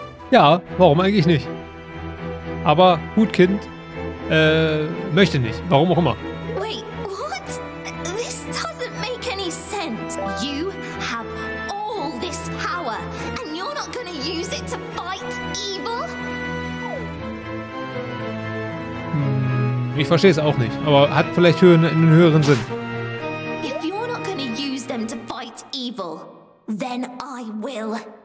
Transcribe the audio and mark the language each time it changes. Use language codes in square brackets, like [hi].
[de] Ja, warum eigentlich nicht? Aber Hutkind möchte nicht. Warum auch immer. [en] Wait, what? This doesn't make any sense. You have all this power and you're not gonna use it to fight evil? [de] Ich verstehe es auch nicht, aber hat vielleicht einen höheren Sinn. [en] If you're not gonna use them to fight evil, then I will.